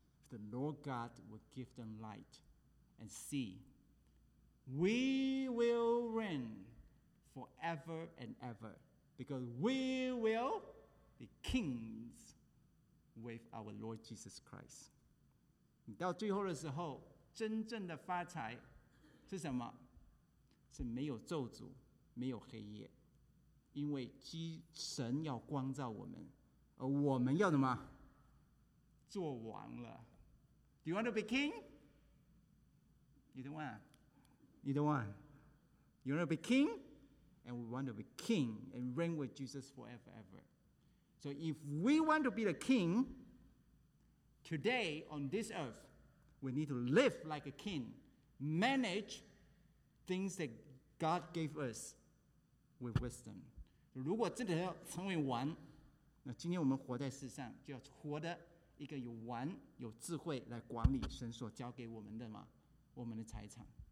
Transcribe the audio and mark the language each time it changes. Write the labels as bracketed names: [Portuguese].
[English] The Lord God will give them light and see. We will reign forever and ever because we will be kings with our Lord Jesus Christ. [Chinese] 到最后的时候, 真正的发财是什么? 是没有咒诅, 没有黑夜, 因为神要光照我们, 而我们要什么? 做王了。 [English] Do you want to be king? You don't want? You don't want? You want to be king? And we want to be king and reign with Jesus forever, ever. So if we want to be the king, today on this earth, we need to live like a king, manage things that God gave us with wisdom. [Chinese] 如果真的要成为王, 那今天我们活在世上就要活得一个有王有智慧来管理神所交给我们的嘛, 我们的财产。